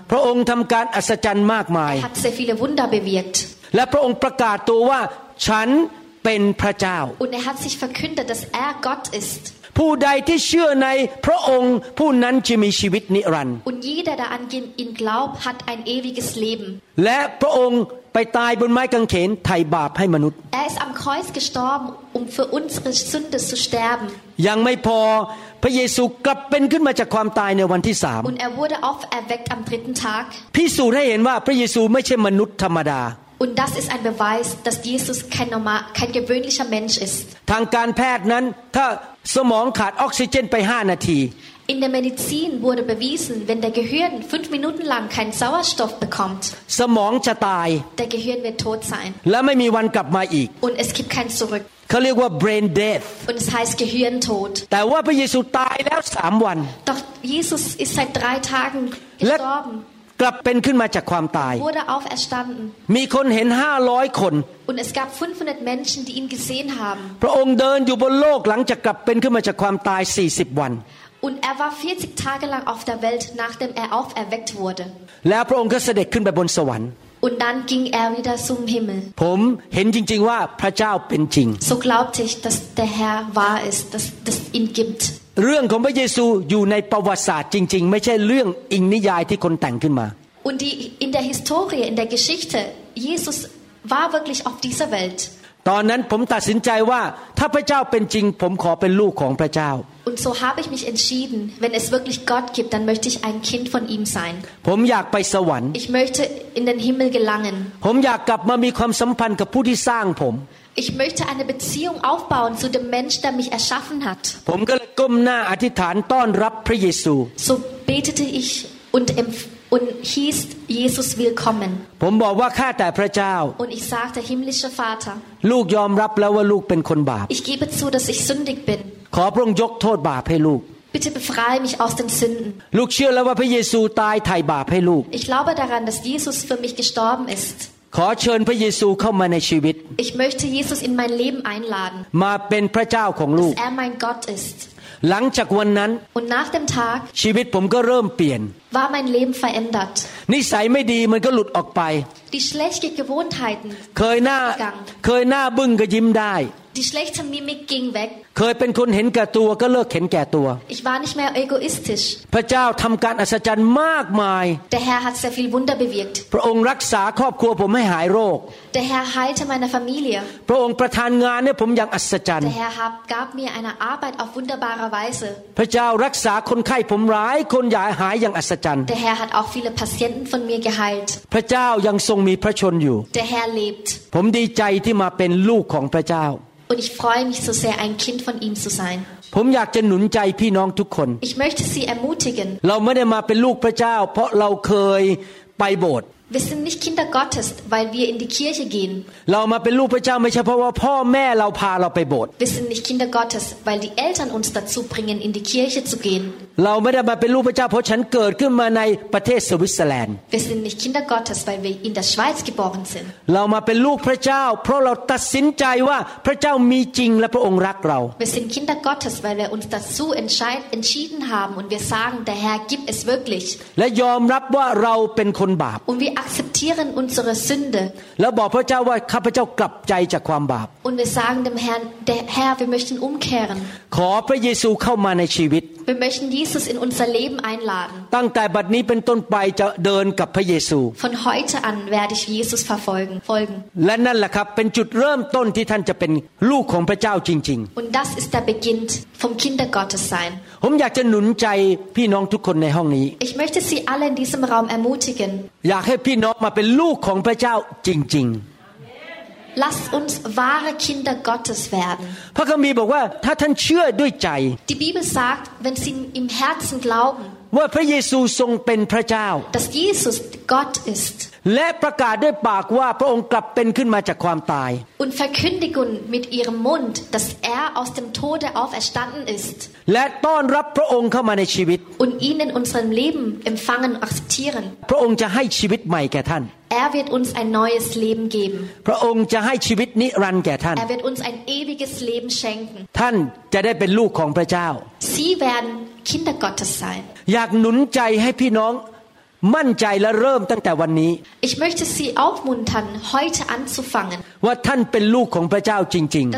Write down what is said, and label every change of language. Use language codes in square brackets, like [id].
[th] พระองค์ทำการอัศจรรย์มากมาย [de] Hat sehr viele Wunder bewirkt. [th] และพระองค์ประกาศตัวว่าฉันเป็นพระเจ้า [de] Und hat sich verkündet, dass Gott ist. [th] ผู้ใดที่เชื่อในพระองค์ผู้นั้นจะมีชีวิตนิรันดร์ [de] Und jeder, der an ihn glaubt, hat ein ewiges Leben. [th] และพระองค์ไปตายบนไม้กางเขนไถ่บาปให้มนุษย์ [de] Er ist am Kreuz gestorben, um für unsere Sünde zu sterben. [th] ยังไม่พอพระเยซูกลับเป็นขึ้นมาจากความตายในวันที่3 [de] Und wurde auferweckt am dritten Tag. [th] พิสูจน์ให้เห็นว่าพระเยซูไม่ใช่มนุษย์ธรรมดา [de] Und das ist ein Beweis, dass Jesus kein gewöhnlicher Mensch ist. [th] ทางการแพทย์นั้นถ้าสมองขาดออกซิเจนไป5นาที [de] In der Medizin wurde bewiesen, wenn der Gehirn 5 Minuten lang keinen Sauerstoff bekommt, [th] สมองจะตาย [de] Der Gehirn wird tot sein. [th] และไม่มีวันกลับมาอีก [de] Und es gibt kein zurück. [th] เขาเรียกว่า brain death. [de] Und es heißt Gehirntod. [th] แต่ว่าพระเยซูตายแล้ว3วัน [de] Doch Jesus ist seit 3 Tagen gestorben. [th] กลับเป็นขึ้นมาจากความตาย [de] Wurde auferstanden. [th] มีคนเห็น500คน [de] Und es gab 500 Menschen, die ihn gesehen haben. [th] พระองค์เดินอยู่บนโลกหลังจากกลับเป็นขึ้นมาจากความตาย40วัน [de] Und war 40 Tage lang auf der Welt, nachdem auferweckt wurde. [th] แล้วพระองค์ก็เสด็จขึ้นไปบนสวรรค์ [de] Und dann ging wieder zum Himmel. [th] ผมเห็นจริงๆว่าพระเจ้าเป็นจริง [de] So glaubte ich, dass der Herr wahr ist, dass ihn gibt. [th] เรื่องของพระเยซูอยู่ในประวัติศาสตร์จริงๆไม่ใช่เรื่องอิงนิยายที่คนแต่งขึ้นมา [de] Und die in der Historie, in der Geschichte, Jesus war wirklich auf dieser Welt. [th] ตอนนั้นผมตัดสินใจว่าถ้าพระเจ้าเป็นจริงผมขอเป็นลูกของพระเจ้า [de] Und so habe ich mich entschieden, wenn es wirklich Gott gibt, dann möchte ich ein Kind von ihm sein. [th] ผมอยากไปสวรรค์ [de] Ich möchte in den Himmel gelangen. [th] ผมอยากกลับมามีความสัมพันธ์กับผู้ที่สร้างผม [de] Ich möchte eine Beziehung aufbauen zu dem Mensch, der mich erschaffen hat. [th] ผมก็เลยก้มหน้าอธิษฐานต้อนรับพระเยซู [de] So betete ich und hieß Jesus willkommen [th] ผมบอกว่าข้าแต่พระเจ้า [de] Und ich sagte himmlischer Vater [th] ลูกยอมรับแล้วว่าลูกเป็นคนบาป [de] Ich gebe zu dass ich sündig bin [th] ขอพระองค์ยกโทษบาปให้ลูก [de] Bitte befreie mich aus den Sünden [th] ลูกเชื่อแล้วว่าพระเยซูตายไถ่บาปให้ลูก [de] Ich glaube daran dass Jesus für mich gestorben ist [th] ขอเชิญพระเยซูเข้ามาในชีวิต [de] Ich möchte Jesus in mein Leben einladen. [th] มาเป็นพระเจ้าของลูก [de] Er mein Gott ist. [th] หลังจากวันนั้น [de] Und nach dem Tag [th] ชีวิตผมก็เริ่มเปลี่ยน [de] War mein Leben verändert. [th] นิสัยไม่ดีมันก็หลุดออกไป [de] Die schlechten Gewohnheiten. [th] เคยหน้าบึ้งก็ยิ้มได้ [de] Die schlechte Mimik ging weg. [th] เคยเป็นคนเห็นแก่ตัวก็เลิกเห็นแก่ตัว [de] Ich war nicht mehr egoistisch. [th] พระเจ้าทำการอัศจรรย์มากมาย [de] Der Herr hat sehr viel Wunder bewirkt. [th] พระองค์รักษาครอบครัวผมให้หายโรค [de] Der Herr heilte meine Familie. [th] พระองค์ประทานงานให้ผมอย่างอัศจรรย์ [de] Der Herr gab mir eine Arbeit auf wunderbare Weise. [th] พระเจ้ารักษาคนไข้ผมหลายคนอย่างหายอย่างอัศจรรย์ [de] Der Herr hat auch viele Patienten von mir geheilt. [th] พระเจ้ายังทรงมีพระชนอยู่ [de] Der Herr lebt. [th] ผมดีใจที่มาเป็นลูกของพระเจ้า [de] Und ich freue mich so sehr, ein Kind von ihm zu sein. [th] ผมอยากจะหนุนใจพี่น้องทุกคน [de] Ich möchte Sie ermutigen. [th] เราไม่ได้มาเป็นลูกพระเจ้าเพราะเราเคยไปโบสถ์ [de] Wir sind nicht Kinder Gottes, weil wir in die Kirche gehen. [th] เรามาเป็นลูกพระเจ้าไม่ใช่เพราะว่าพ่อแม่เราพาเราไปโบสถ์ [de] Wir sind nicht Kinder Gottes, weil die Eltern uns dazu bringen, in die Kirche zu gehen. [th] เราไม่ได้มาเป็นลูกพระเจ้าเพราะฉันเกิดขึ้นมาในประเทศสวิตเซอร์แลนด์ [de] Wir sind nicht Kinder Gottes, weil wir in der Schweiz geboren sind. [th] เรามาเป็นลูกพระเจ้าเพราะเราตัดสินใจว่าพระเจ้ามีจริงและพระองค์รักเรา [de] Wir sind Kinder Gottes, weil wir uns dazu entschieden haben und wir sagen, der Herr gibt es wirklich. [th] และยอมรับว่าเราเป็นคนบาป [de] Und wir akzeptieren unsere Sünde. [th] แล้วบอกพระเจ้าว่าข้าพเจ้ากลับใจจากความบาป [de] Und wir sagen dem Herrn, der Herr, wir möchten umkehren. [th] ขอพระเยซูเข้ามาในชีวิต [de] Wir möchten Jesus in unser Leben einladen. [th] ตั้งแต่บัดนี้เป็นต้นไปจะเดินกับพระเยซู [de] Von heute an werde ich Jesus verfolgen. [th] และนั่นแหละครับเป็นจุดเริ่มต้นที่ท่านจะเป็นลูกของพระเจ้าจริง [de] ๆ Und das ist der Beginn vom Kindergottes sein. [th] ผมอยากจะหนุนใจพี่น้องทุกคนในห้องนี้ [de] Ich möchte Sie alle in diesem Raum ermutigen. [th] อยากให้พี่น้องมาเป็นลูกของพระเจ้าจริงๆ [de] Lasst uns wahre Kinder Gottes werden. [th] พระคัมภีร์บอกว่าถ้าท่านเชื่อด้วยใจ [de] Die Bibel sagt, wenn Sie im Herzen glauben, [th] ว่าพระเยซูทรงเป็นพระเจ้า [de] dass Jesus Gott ist. [th] และประกาศด้วยปากว่าพระองค์กลับเป็นขึ้นมาจากความตาย [de] Und verkündigen mit ihrem Mund, dass er aus dem Tode auferstanden ist. [th] และต้อนรับพระองค์เข้ามาในชีวิต [de] Und ihn in unserem Leben empfangen und akzeptieren. [th] พระองค์จะให้ชีวิตใหม่แก่ท่าน [de] Er wird uns ein neues Leben geben. [th] พระองค์จะให้ชีวิตนิรันดร์แก่ท่าน [de] Er wird uns ein ewiges Leben schenken. [th] ท่านจะได้เป็นลูกของพระเจ้า [de] Sie werden Kinder Gottes sein. [th] อยากหนุนใจให้พี่น้องมั่นใจและเริ่มตั้งแต่วันนี้ [de] Ich möchte Sie aufmuntern, heute anzufangen. [th] ว่าท่านเป็นลูกของพระเจ้าจริงๆ